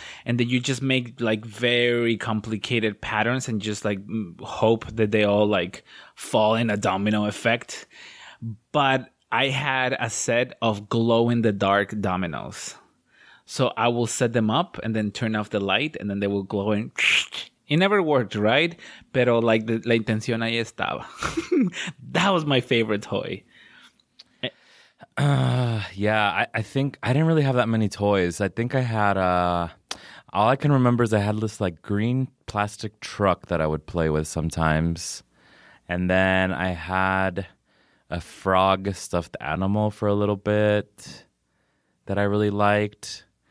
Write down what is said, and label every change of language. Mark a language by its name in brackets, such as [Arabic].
[English] And then you just make like very complicated patterns and just like hope that they all like fall in a domino effect. But I had a set of glow in the dark dominoes. So I will set them up and then turn off the light and then they will glow in. It never worked, right? [Spanish] Pero, like, la intención ahí estaba. [English] That was my favorite toy. Yeah, I think I didn't really have that many toys. I think I had, all I can remember is I had this, like, green plastic truck that I would play with sometimes. And then I had a frog stuffed animal for a little bit that I really liked.